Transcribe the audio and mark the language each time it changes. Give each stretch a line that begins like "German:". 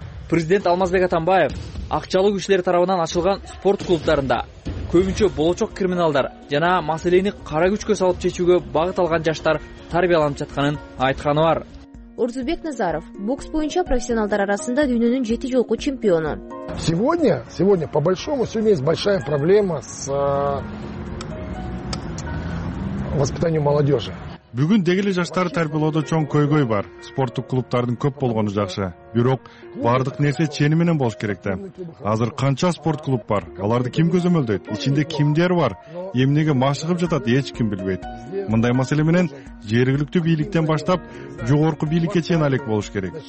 Kyrgyz: Президент Алмазбек Атамбаев акчалуу күчтөр тарабынан ачылган спорт клубтарында көбүнчө болочок криминалдар жана маселени кара күчкө салып чечүүгө багыт алган жаштар тарбияланып жатканын айтканы бар. Орзубек Назаров бокс боюнча профессионалдар арасында дүйнөнүн 7 жолку чемпиону.
Russian: Сегодня по большому сегодня есть большая проблема с воспитанием молодежи.
Kyrgyz: Бүгүн деги эле жаштарды тарбиялоодо чоң көйгөй бар. Спорттук клубтардын көп болгону жакшы. Бирок бардык нерсе чени менен болуш керек да. Азыр канча спорт клуб бар? Аларды ким көзөмөлдөйт? Ичинде кимдер бар? Эмнеге машыгып жатат, эч ким билбейт. Мындай маселе менен жергиликтүү бийликтен баштап жогорку бийликке чейин алек болуш керек.